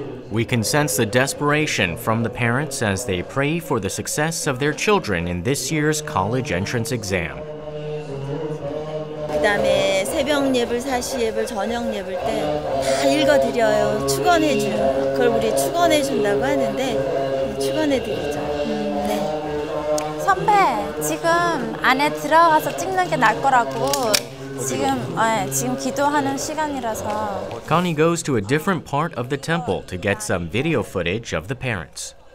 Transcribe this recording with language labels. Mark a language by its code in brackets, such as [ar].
[en] We can sense the desperation from the parents as they pray for the success of their children in this year's college entrance exam. [ko] 그다음에 새벽 예불, 사시 예불, 저녁 예불 때 다 읽어드려요. 축원해줘요. 그걸 우리 축원해준다고 하는데 축원해드리죠. 네. 선배, 지금 안에 들어가서 찍는 게 나을 거라고. 지금 기도하는 시간이라서. [en] Connie goes to a different part of the temple to get some video footage of the parents.